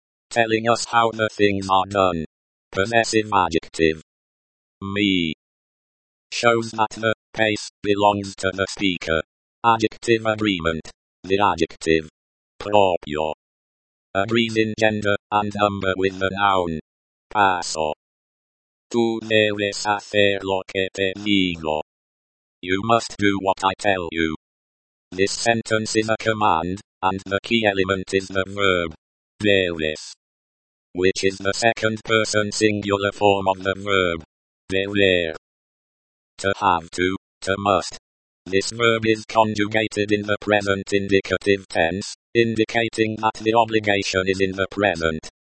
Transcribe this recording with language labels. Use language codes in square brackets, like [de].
[en] Telling us how the things are done. Possessive adjective, me. Shows that the pace belongs to the speaker. Adjective agreement, the adjective, propio, agrees in gender and number with the noun, paso. [es] Tú debes hacer lo que te digo. [en] You must do what I tell you. This sentence is a command, and the key element is the verb, debes, which is the second person singular form of the verb, deber. To have to must. This verb is conjugated in the present indicative tense, indicating that the obligation is in the present.